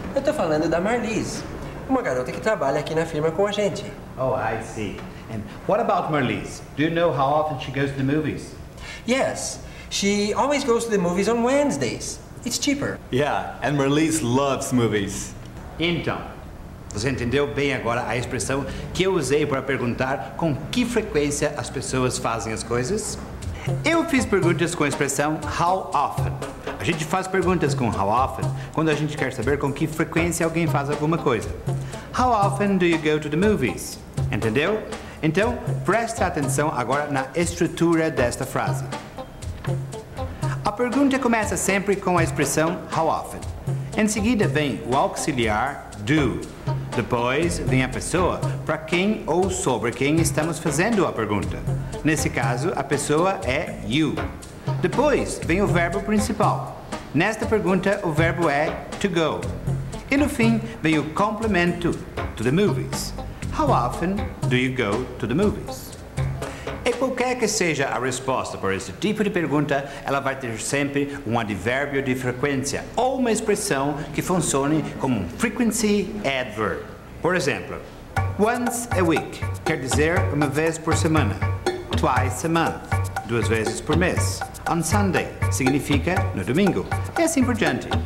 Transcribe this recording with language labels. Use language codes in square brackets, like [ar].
[pt] Eu tô falando da Marlise, uma garota que trabalha aqui na firma com a gente. [en] Oh, I see. And what about Marlise? Do you know how often she goes to the movies? Yes. She always goes to the movies on Wednesdays. It's cheaper. Yeah, and Marlise loves movies. [pt] Então, você entendeu bem agora a expressão que eu usei para perguntar com que frequência as pessoas fazem as coisas? Eu fiz perguntas com a expressão how often. A gente faz perguntas com how often quando a gente quer saber com que frequência alguém faz alguma coisa. [en] How often do you go to the movies? [pt] Entendeu? Então, preste atenção agora na estrutura desta frase. A pergunta começa sempre com a expressão how often. Em seguida vem o auxiliar do. Depois, vem a pessoa para quem ou sobre quem estamos fazendo a pergunta. Nesse caso, a pessoa é you. Depois, vem o verbo principal. Nesta pergunta, o verbo é to go. E no fim, vem o complemento to the movies. [en] How often do you go to the movies? [pt] E qualquer que seja a resposta para esse tipo de pergunta, ela vai ter sempre um advérbio de frequência ou uma expressão que funcione como um frequency adverb. Por exemplo, [en] once a week [pt] quer dizer uma vez por semana, [en] twice a month, [pt] duas vezes por mês, [en] on Sunday [pt] significa no domingo, e assim por diante.